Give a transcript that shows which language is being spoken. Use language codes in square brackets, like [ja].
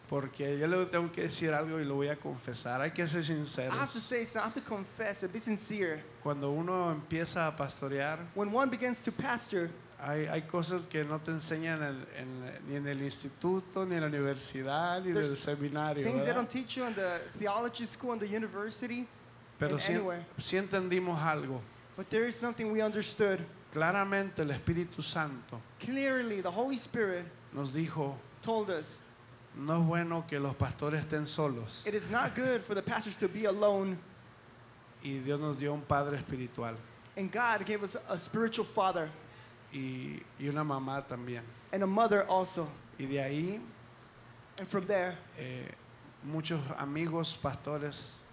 [es] Porque yo le tengo que decir algo y lo voy a confesar. Hay que ser sinceros. [en] I have to say something. I have to confess and be sincere. [es] Cuando uno empieza a pastorear. [en] When one begins to pastor. [es] Hay cosas que no te enseñan ni en el instituto, ni en la universidad, ni en el seminario. [en] Things [es] ¿verdad? [en] They don't teach you in the theology school, in the university. [es] Pero [en] and [es] si, [en] anywhere. [es] Si entendimos algo. [en] But there is something we understood. [es] Claramente el Espíritu Santo [en] clearly, the Holy Spirit [es] nos dijo [en] told us, [es] no es bueno que los pastores estén solos. [en] It is not good for the pastors to be alone. [es] Y Dios nos dio un padre espiritual. [en] And God gave us a spiritual father. [es] Y una mamá también. [en] And a mother also. [es] Y de ahí [en] and from there [es] muchos amigos pastores